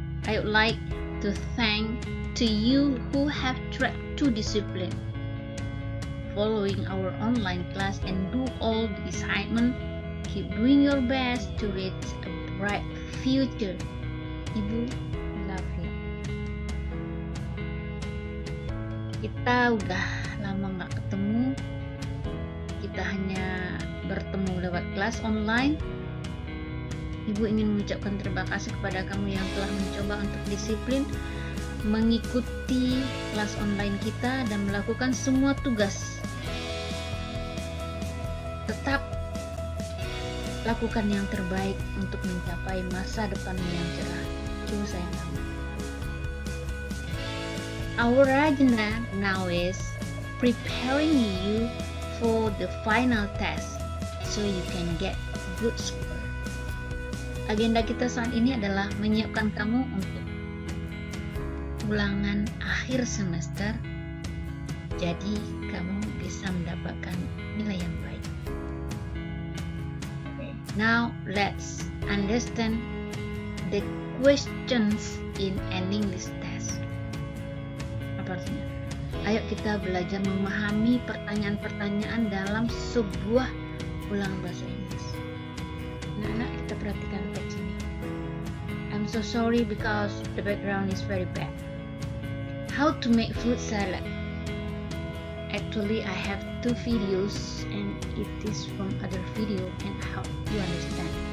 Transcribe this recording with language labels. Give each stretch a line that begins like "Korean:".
English: I would like to thank to you who have tried to discipline following our online class and do all the assignment. Keep doing your best to reach a bright future. Ibu, love you.
Indonesian: Kita udah lama gak ketemu. Kita hanya bertemu lewat kelas online. Ibu ingin mengucapkan terima kasih kepada kamu yang telah mencoba untuk disiplin mengikuti kelas online kita dan melakukan semua tugas. Tetap lakukan yang terbaik untuk mencapai masa depan yang cerah. Cuma sayang kamu.
English: Our agenda now is preparing you for the final test so you can get good score.
Indonesian: Agenda kita saat ini adalah menyiapkan kamu untuk ulangan akhir semester, jadi kamu bisa mendapatkan nilai yang baik.
English: Now let's understand the questions in an English test.
Indonesian: Apa artinya? Ayo kita belajar memahami pertanyaan-pertanyaan dalam sebuah ulangan bahasa Inggris. Nana, kita perhatikan di sini.
English: I'm so sorry because the background is very bad. How to make fruit salad? Actually, I have 2 videos and it is from other video and how you understand.